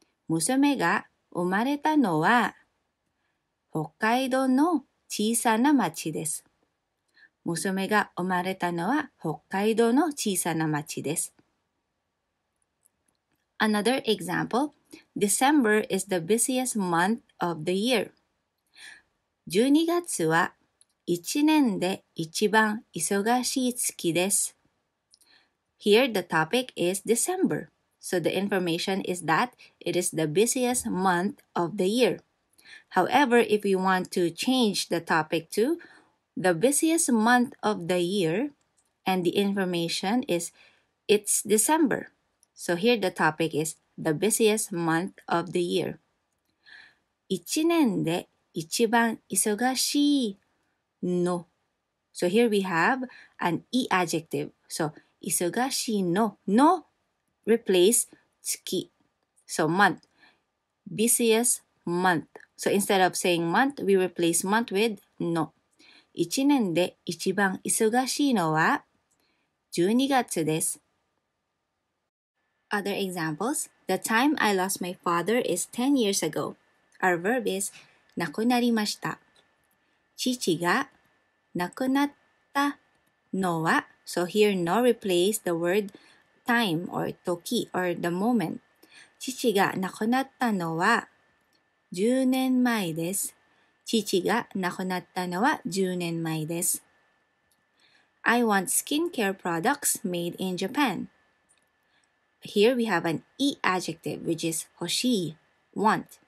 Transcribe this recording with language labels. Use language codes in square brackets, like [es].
[ja] 娘が生まれたのは、北海道の小さな町です。娘が生まれたのは北海道の小さな町です。 [en] Another example, December is the busiest month of the year. [ja] 12月は一年で一番忙しい月です。 [en] Here the topic is December. So the information is that it is the busiest month of the year. However, if you want to change the topic to the busiest month of the year, and the information is it's December. So here the topic is the busiest month of the year. [ja] 一年で一番忙しいの。 [en] So here we have an e adjective. So [ja] 忙しいの。 [en] の replace 月.So month. Busiest month. So instead of saying month, we replace month with の。 [ja] 一年で一番忙しいのは12月です。 [en] Other examples. The time I lost my father is 10 years ago. Our verb is [ja] 亡くなりました。父が亡くなったのは、 [en] so here no replace the word time or 時 or the moment. [ja] 父が亡くなったのは10年前です。父が亡くなったのは10年前です。 [en] I want skincare products made in Japan. Here we have an e adjective, which is 欲しい want.